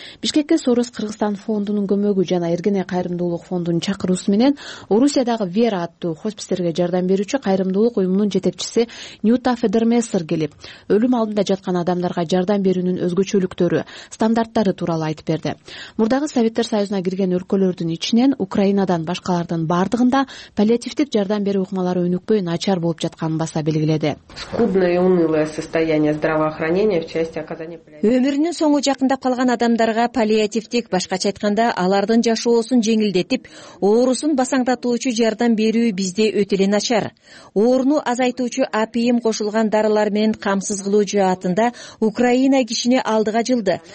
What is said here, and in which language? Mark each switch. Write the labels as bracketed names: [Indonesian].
[Kyrgyz] Бишкекке Сорос Кыргызстан фондунун көмөгү жана Эргене кайрымдуулук фондунун чакыруусу менен Орусиядагы Вера аттуу хосписттерге жардам берүүчү кайрымдуулук уюмунун жетекчиси Ньюта Федермессер келип, өлүм алдында жаткан адамдарга жардам берүүнүн өзгөчөлүктөрү, стандарттары тууралуу айтып берди. Мурдагы Советтер Союзуна кирген өлкөлөрдүн ичинен Украинадан башкалардын бардыгында паллиативдик жардам берүү укмалары өнүкпөй начар болуп жатканын баса белгиледи. [Russian] Скудное и унылое состояние здравоохранения в части оказания паллиативной. [Kyrgyz] Өмүрүнүн соңу жакындап калган адамдарга паллиативдик, башкача айтканда алардын жашоосун жеңилдетип, оорусун басаңдатуучу жардам берүү бизде өтө эле начар. Ооруну азайтуучу АПМ кошулган дарылар менен камсыз кылуу жаатында Украина кишини алдыга жылды.